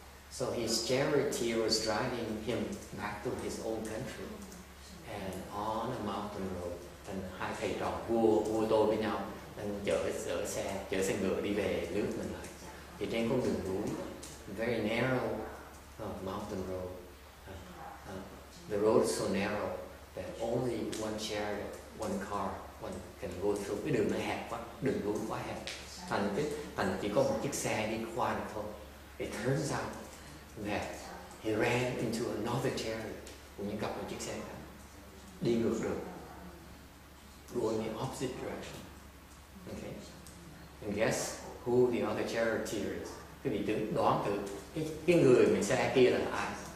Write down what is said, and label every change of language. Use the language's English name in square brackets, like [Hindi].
[English] So his charity was driving him back to his own country. And on a mountain road, [Vietnamese] thành hai thầy trò vua tô với nhau, đang chở xe ngựa đi về nước mình lại. Thì trên con đường núi, [English] very narrow mountain road. The road is so narrow that only one chariot, one car, one can go through. [Vietnamese] Cái đường nó hẹp quá, đường núi quá hẹp. Thành chỉ có một chiếc xe đi qua được thôi. [English] It turns out that he ran into another chariot, [Vietnamese] cũng như gặp một chiếc xe khác. Đi ngược đường, [English] going in the opposite direction. Okay, and guess who the other charioteer is? [Vietnamese] Cái vị tướng đoán từ cái người mình xe kia là ai?